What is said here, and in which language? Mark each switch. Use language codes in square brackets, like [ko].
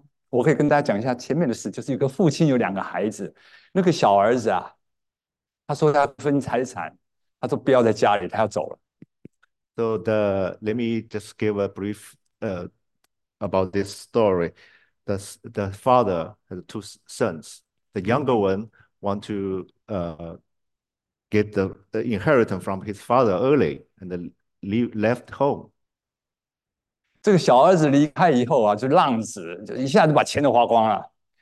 [zh] 我可以跟大家讲一下前面的事，就是一个父亲有2个孩子，那个小儿子啊，他说他要分财产，他说不要在家里，他要走了。 [en] So let me just give a brief about this story. The father has 2 sons. The younger one want to get the inheritance from his father early and left home. [zh] 这个小儿子离开以后啊，就浪子，就一下子把钱都花光了。